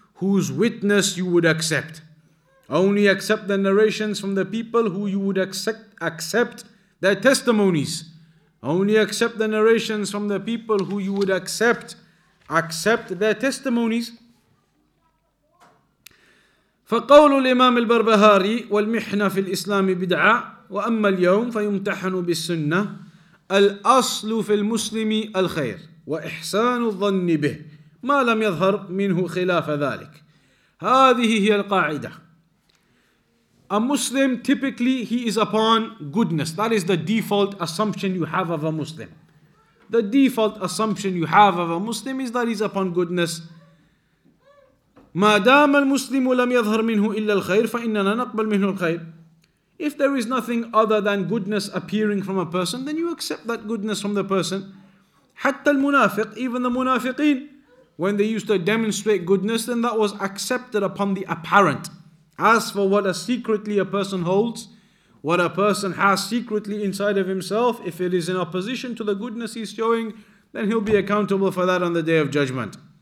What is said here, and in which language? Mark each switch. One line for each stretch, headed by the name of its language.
English: whose witness you would accept. Only accept the narrations from the people who you would accept their testimonies. Only accept the narrations from the people who you would accept their testimonies.
Arabic: فقول الإمام البربهاري والمحنة في الإسلام بدعة وأما اليوم فيمتحن بالسنة الأصل في المسلم الخير وإحسان الظن به ما لم يظهر منه خلاف ذلك هذه هي القاعدة.
English: A Muslim, typically he is upon goodness. That is the default assumption you have of a Muslim. The default assumption you have of a Muslim is that he is upon goodness.
Arabic: ما دام المسلم لم يظهر منه إلا الخير فإننا نقبل منه الخير.
English: If there is nothing other than goodness appearing from a person, then you accept that goodness from the person.
Arabic: حتى المنافق,
English: even the منافقين, when they used to demonstrate goodness, then that was accepted upon the apparent. As for what a secretly a person holds, what a person has secretly inside of himself, if it is in opposition to the goodness he's showing, then he'll be accountable for that on the Day of Judgment.